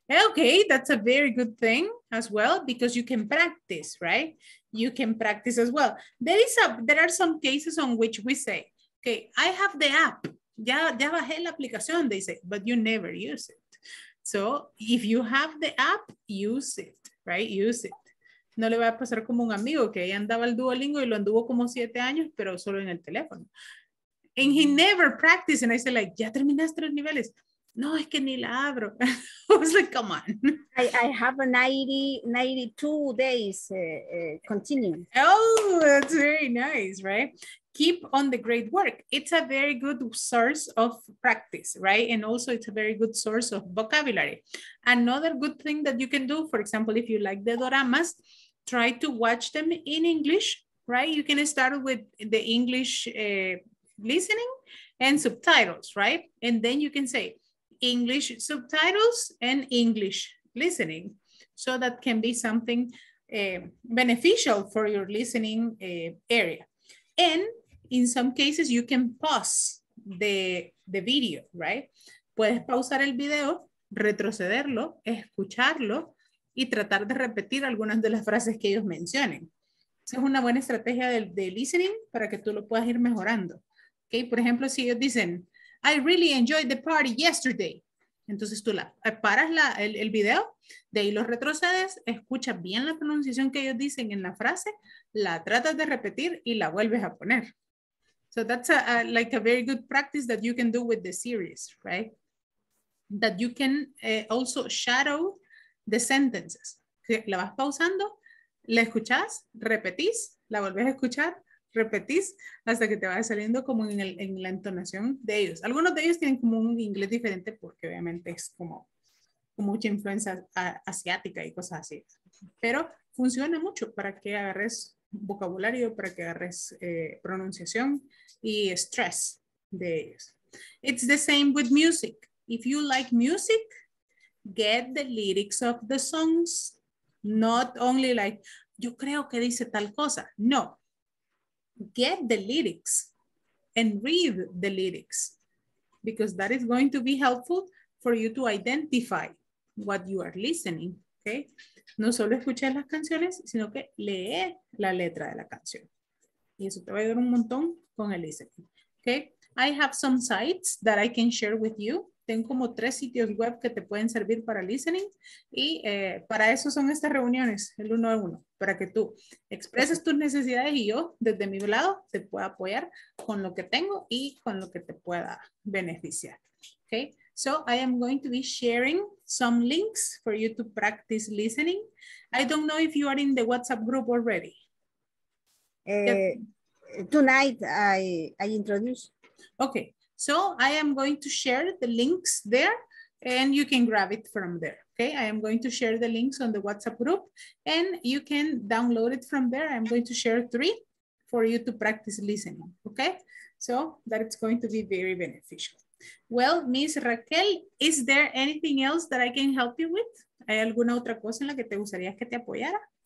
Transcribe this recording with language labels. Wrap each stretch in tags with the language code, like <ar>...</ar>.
<en>Okay, that's a very good thing as well because you can practice, right? You can practice as well. There are some cases on which we say, okay, I have the app.</en> <es>ya bajé la aplicación,</es> <en>they say, but you never use it. So if you have the app, use it, right? Use it.</en> <es>No le va a pasar como un amigo que ahí andaba el Duolingo y lo anduvo como 7 años, pero solo en el teléfono.</es> <en>And he never practiced. And I said, like,</en> <es>¿ya terminaste los niveles? No, es que ni la abro.</es> <en>I was like, come on. I have a 92 days continuing. Oh, that's very nice, right? Keep on the great work. It's a very good source of practice, right? And also it's a very good source of vocabulary. Another good thing that you can do, for example, if you like the doramas, try to watch them in English, right? You can start with the English listening and subtitles, right? And then you can say English subtitles and English listening. So that can be something beneficial for your listening area. And in some cases, you can pause the video, right?</en> <es>Puedes pausar el video, retrocederlo, escucharlo y tratar de repetir algunas de las frases que ellos mencionen. Esa es una buena estrategia de listening para que tú lo puedas ir mejorando. Okay, por ejemplo, si ellos dicen,</es> <en>I really enjoyed the party yesterday.</en> <es>Entonces tú paras el video, de ahí lo retrocedes, escuchas bien la pronunciación que ellos dicen en la frase, la tratas de repetir y la vuelves a poner.</es> <en>So that's a very good practice that you can do with the series, right? That you can also shadow the sentences.</en> <es>La vas pausando, la escuchas, repetís, la volvés a escuchar, repetís, hasta que te vaya saliendo como en la entonación de ellos. Algunos de ellos tienen como un inglés diferente porque obviamente es como mucha influencia asiática y cosas así. Pero funciona mucho para que agarres vocabulario, para que agarres pronunciación y stress de ellos.</es> <en>It's the same with music. If you like music, get the lyrics of the songs. Not only like,</en> <es>yo creo que dice tal cosa. No.</es> <en>Get the lyrics and read the lyrics because that is going to be helpful for you to identify what you are listening. Okay?</en> <es>No solo escuchar las canciones, sino que leer la letra de la canción. Y eso te va a ayudar un montón con el listening.</es> <en>Okay? I have some sites that I can share with you.</en> <es>Tengo como 3 sitios web que te pueden servir para listening. Y para eso son estas reuniones, el 1-1, para que tú expreses tus necesidades y yo, desde mi lado, te pueda apoyar con lo que tengo y con lo que te pueda beneficiar.</es> <en>Okay? So I am going to be sharing some links for you to practice listening. I don't know if you are in the WhatsApp group already. Tonight I introduce. Okay. So I am going to share the links there and you can grab it from there. Okay, I am going to share the links on the WhatsApp group and you can download it from there. I'm going to share 3 for you to practice listening. Okay, so that it's going to be very beneficial. Well, Miss Raquel, is there anything else that I can help you with?</en> <es>¿Hay alguna otra cosa en la que te gustaría que te apoyara?</es>